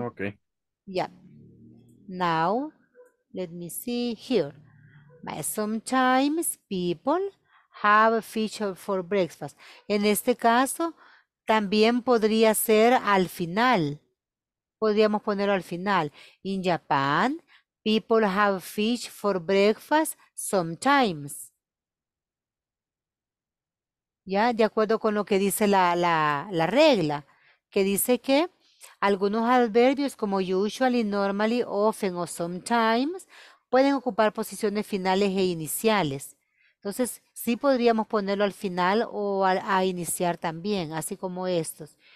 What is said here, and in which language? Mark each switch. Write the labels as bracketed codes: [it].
[en] Ok. Ya. Now, let me see here. Sometimes people have a feature for breakfast. [es] En este caso, también podría ser al final. Podríamos ponerlo al final. [en] In Japan, people have fish for breakfast sometimes. [es] ¿Ya? De acuerdo con lo que dice la regla, que dice que algunos adverbios como [en] usually, normally, often [es] o sometimes pueden ocupar posiciones finales e iniciales. Entonces, sí podríamos ponerlo al final o a iniciar también, así como estos.